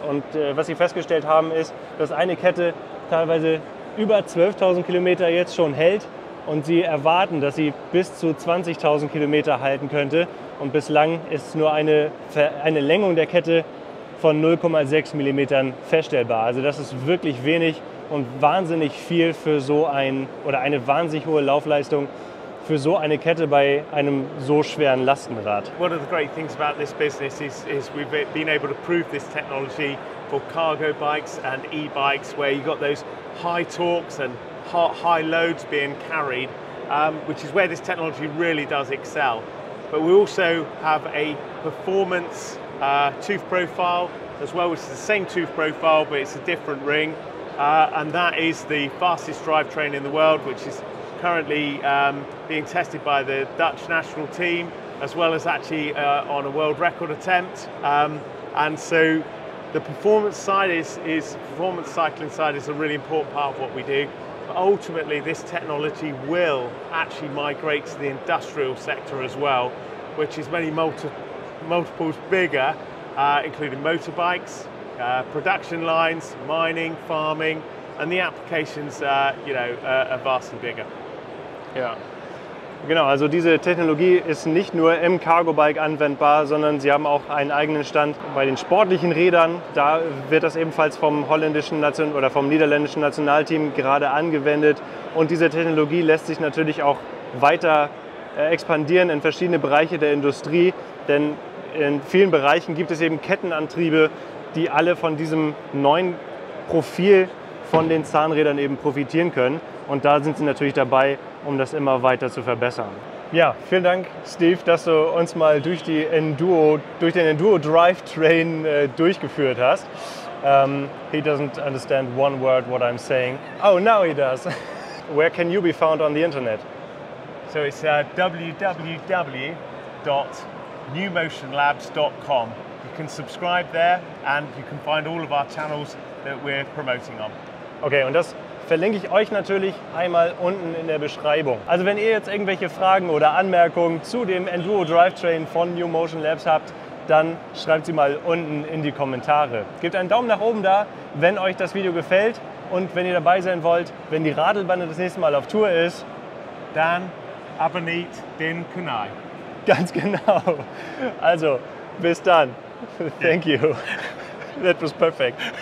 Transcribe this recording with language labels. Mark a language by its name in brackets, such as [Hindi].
[German] Und was sie festgestellt haben, ist, dass eine Kette teilweise über 12.000 Kilometer jetzt schon hält, und sie erwarten, dass sie bis zu 20.000 Kilometer halten könnte, und bislang ist nur eine Längung der Kette von 0,6 mm feststellbar. Also das ist wirklich wenig und wahnsinnig viel für so ein oder eine wahnsinnig hohe Laufleistung für so eine Kette bei einem so schweren Lastenrad. [English] One of the great things about this business is we've been able to prove this technology for cargo bikes and e-bikes, where you got those high torques and high loads being carried, which is where this technology really does excel. But we also have a performance tooth profile as well, which is the same tooth profile, but it's a different ring. And that is the fastest drivetrain in the world, which is currently being tested by the Dutch national team, as well as actually on a world record attempt. And so the performance side is performance cycling side is a really important part of what we do. But ultimately, this technology will actually migrate to the industrial sector as well, which is many multiples bigger, including motorbikes, production lines, mining, farming, and the applications, are vastly bigger. Yeah. [German] Genau, also diese Technologie ist nicht nur im Cargo-Bike anwendbar, sondern sie haben auch einen eigenen Stand bei den sportlichen Rädern. Da wird das ebenfalls vom niederländischen Nationalteam gerade angewendet. Und diese Technologie lässt sich natürlich auch weiter expandieren in verschiedene Bereiche der Industrie. Denn in vielen Bereichen gibt es eben Kettenantriebe, die alle von diesem neuen Profil von den Zahnrädern eben profitieren können. Und da sind sie natürlich dabei, um das immer weiter zu verbessern. Ja, vielen Dank, Steve, dass du uns mal durch den Enduro Drivetrain durchgeführt hast. [English] He doesn't understand one word what I'm saying. Oh, now he does. Where can you be found on the internet? So it's www.newmotionlabs.com. You can subscribe there, and you can find all of our channels that we're promoting on. [German] Okay, und das verlinke ich euch natürlich einmal unten in der Beschreibung. Also wenn ihr jetzt irgendwelche Fragen oder Anmerkungen zu dem Enduro Drivetrain von New Motion Labs habt, dann schreibt sie mal unten in die Kommentare. Gebt einen Daumen nach oben da, wenn euch das Video gefällt. Und wenn ihr dabei sein wollt, wenn die Radlbande das nächste Mal auf Tour ist, dann abonniert den Kanal. Ganz genau. Also, bis dann. [English] Thank you. That was perfect.